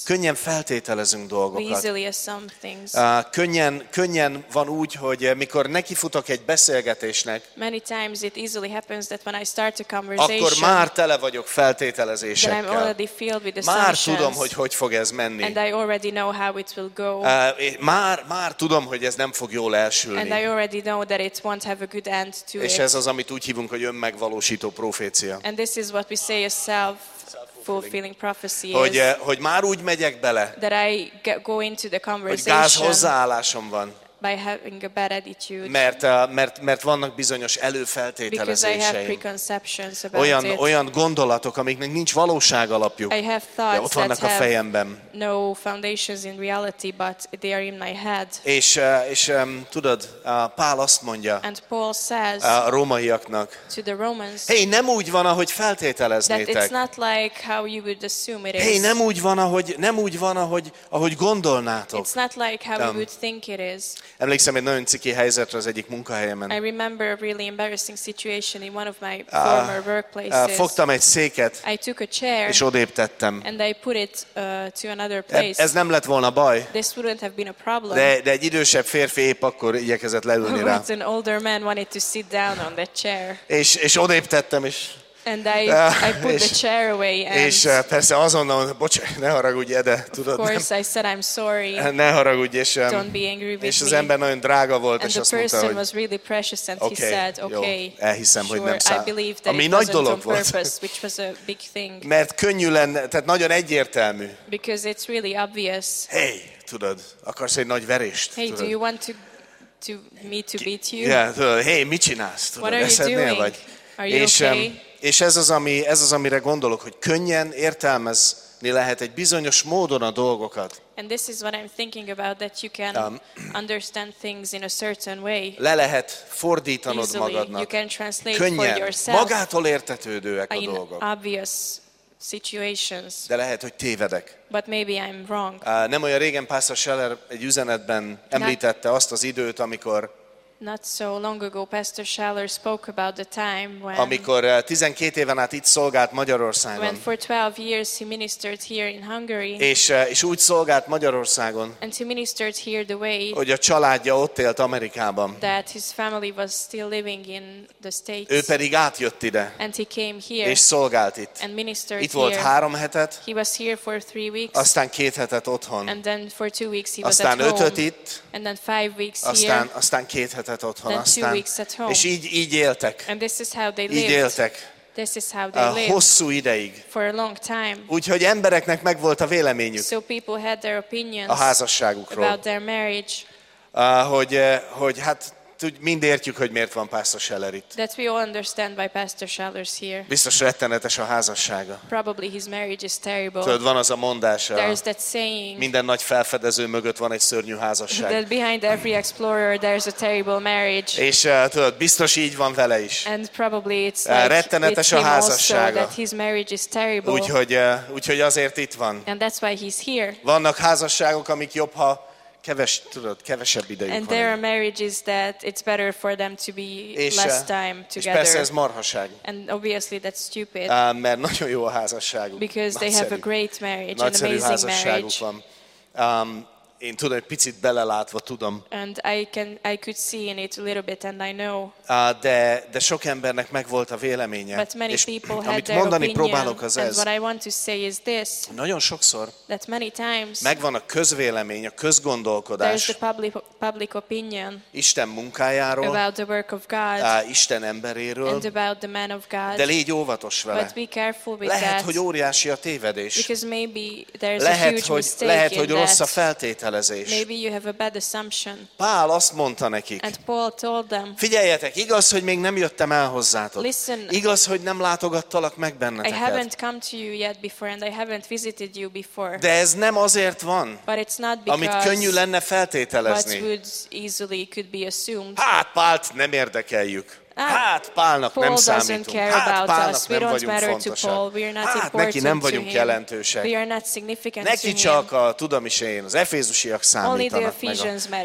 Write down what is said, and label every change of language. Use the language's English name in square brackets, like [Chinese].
[Hungarian] Könnyen feltételezünk dolgokat. [English] We easily assume things. [Hungarian] Könnyen van úgy, hogy mikor nekifutok egy beszélgetésnek, [English] many times it easily happens that when I start a conversation, [Hungarian] akkor már tele vagyok feltételezésekkel. [English] That I'm already filled with assumptions. [Hungarian] Már tudom, hogy fog ez menni. [English] And I already know how it will go. [Hungarian] Már tudom, hogy ez nem fog jól elsülni. [English] And I already know that it won't have a good end to it. [Hungarian] És ez az, amit úgy hívunk, hogy önmegvalósító profécia. [English] And this is what we say a self fulfilling prophecy is, [Hungarian] hogy már úgy megyek bele, [English] that I go into the conversation, [Hungarian] hogy gáz hozzáállásom van, [English] by having a bad attitude. [Hungarian] Mert vannak bizonyos előfeltételezéseim. Olyan gondolatok, amiknek nincs valóság alapjuk. [English] I have thoughts, [Hungarian] ott vannak a fejemben. [English] No foundations in reality, but they are in my head. [Hungarian] És tudod, Pál azt mondja. [English] And Paul says [Hungarian] a rómaiaknak. [English] To the Romans. [Hungarian] Hey, nem úgy van, ahogy feltételeznétek. [English] That it's not like how you would assume it is. [Hungarian] Hey, nem úgy van, ahogy gondolnátok. [English] It's not like how you would think it is. [Hungarian] Emlékszem egy nagyon ciki helyzetre az egyik munkahelyemen. [English] I remember a really embarrassing situation in one of my former workplaces. [Hungarian] Fogtam egy széket. [English] I took a chair. [Hungarian] És odébb tettem. [English] And I put it to another place. [Hungarian] Ez nem lett volna baj. [English] This wouldn't have been a problem. [Hungarian] De egy idősebb férfi épp akkor igyekezett leülni rá. [English] An older man wanted to sit down on that chair. [Hungarian] És odébb tettem is. [English] And I put the chair away. And [Hungarian] és persze azonnal, bocsánat, ne haragudj, de tudod. [English] Of course, [Hungarian] nem. [English] I said I'm sorry. [Hungarian] Ne haragudj, és [English] don't be angry with me. [Hungarian] És az ember nagyon drága volt, [English] and [Hungarian] és azt mondta, hogy [English] was really precious, and okay, he said, okay, [Hungarian] jó, elhiszem, [English] sure, [Hungarian] hogy nem száll. [English] I believe that [Hungarian] ami [English] it [Hungarian] nagy dolog [English] on [Hungarian] volt. [English] Purpose, which was a big thing. [Hungarian] Mert könnyű lenne, tehát nagyon egyértelmű. [English] Because it's really obvious. [Hungarian] Hey, tudod, akarsz egy nagy verést? [English] Hey, [Hungarian] tudod? [English] Do you want to me to beat you? [Hungarian] Yeah, tudod, hey, mit csinálsz? Tudod, [English] what are you doing? [Hungarian] Vagy? [English] Are you okay? [Hungarian] És ez az, amire gondolok, hogy könnyen értelmezni lehet egy bizonyos módon a dolgokat. [English] And this is what I'm thinking about, that you can understand things in a certain way. [Hungarian] Le lehet fordítanod magadnak. [English] You can translate [Hungarian] könnyen, [English] for yourself. [Hungarian] Magától értetődőek a dolgok. [English] Obvious situations. [Hungarian] De lehet, hogy tévedek. [English] But maybe I'm wrong. [Hungarian] Nem olyan régen Pastor Scheller egy üzenetben említette azt az időt, amikor [English] not so long ago Pastor Schaller spoke about the time when [Hungarian] amikor 12 éven át itt szolgált Magyarországon. [English] When for 12 years he ministered here in Hungary. [Hungarian] És úgy szolgált Magyarországon. [English] And he ministered here the way [Hungarian] hogy a családja ott élt Amerikában. [English] That his family was still living in the States. [Hungarian] Ő pedig átjött ide. [English] And he came here. [Hungarian] És szolgált itt. [English] And ministered [Hungarian] itt volt 3 hetet. [English] He was here for 3 weeks. [Hungarian] Aztán 2 hetet otthon. [English] And then for 2 weeks he [Hungarian] aztán [English] was at home. [Hungarian] Aztán 5 hetet itt. [English] And then 5 weeks [Hungarian] aztán, [English] here. [Hungarian] Aztán 2 hetet otthon, [English] then [Hungarian] aztán, [English] 2 weeks at home. [Hungarian] És így éltek. [English] And this is how they [Hungarian] így [English] lived. [Hungarian] Éltek. [English] This is how they lived. [Hungarian] Hosszú ideig. [English] For a long time. [Hungarian] Úgyhogy embereknek megvolt a véleményük. [English] So people had their opinions [Hungarian] a házasságukról. [English] About their marriage. [Hungarian] Hogy hát mind értjük, hogy miért van Pastor Scheller itt. [English] That we all understand why Pastor Scheller's here. [Hungarian] Biztos rettenetes a házassága. [English] Probably his marriage is terrible. [Hungarian] Tudod, van az a mondása. [English] There's that saying. [Hungarian] Minden nagy felfedező mögött van egy szörnyű házasság. [English] That behind every explorer there's a terrible marriage. [Hungarian] És tudod, biztos így van vele is. [English] And probably it's like [Hungarian] rettenetes a házassága. [English] That his marriage is terrible. [Hungarian] Úgyhogy azért itt van. [English] And that's why he's here. [Hungarian] Vannak házasságok, amik jobb, ha kevesebb idejük van. [English] And there are marriages that it's better for them to be less time together. [Hungarian] És persze ez marhaság. [English] And obviously that's stupid. [Hungarian] Mert nagyon jó a házasságuk. [English] Because they have a great marriage, [Hungarian] nagyszerű, [English] an amazing [Hungarian] házasságuk [English] marriage. [Hungarian] Van. Én tudom, egy picit belelátva tudom. [English] And I could see in it a little bit and I know. [Hungarian] De sok embernek megvolt a véleménye. [English] But many people [Hungarian] és [English] had [Hungarian] amit mondani [English] opinion, [Hungarian] próbálok az ez. [English] What I want to say is this. [Hungarian] Nagyon sokszor. [English] That many times. [Hungarian] Megvan a közvélemény, a közgondolkodás. [English] There's the public opinion. [Hungarian] Isten munkájáról. [English] About the work of God. [Hungarian] Isten emberéről. [English] And about the man of God. [Hungarian] De légy óvatos vele. [English] But be careful with [Hungarian] lehet, [English] that. [Hungarian] Hogy óriási a tévedés. [English] Because maybe there's [Hungarian] lehet, [English] a huge [Hungarian] hogy, [English] mistake [Hungarian] lehet, [English] in [Hungarian] hogy [English] that. [Hungarian] Rossz a feltétel. [English] Maybe you have a bad assumption. [Hungarian] Pál azt mondta nekik. [English] And Paul told them. [Hungarian] Figyeljetek, igaz, hogy még nem jöttem el hozzátok. [English] Listen. [Hungarian] Igaz, hogy nem látogattalak meg benneteket. [English] I haven't come to you yet before and I haven't visited you before. [Hungarian] De ez nem azért van. [English] But it's not because. [Hungarian] Amit könnyű lenne feltételezni. [English] What would easily could be assumed. [Hungarian] Hát Pált nem érdekeljük. Hát Pálnak [English] Paul [Hungarian] nem számítunk. Hát Pálnak [English] us. [Hungarian] Nem vagyunk fontosak. Hát neki nem vagyunk jelentősek. Neki csak a, tudom is én, az efézusiak számítanak meg.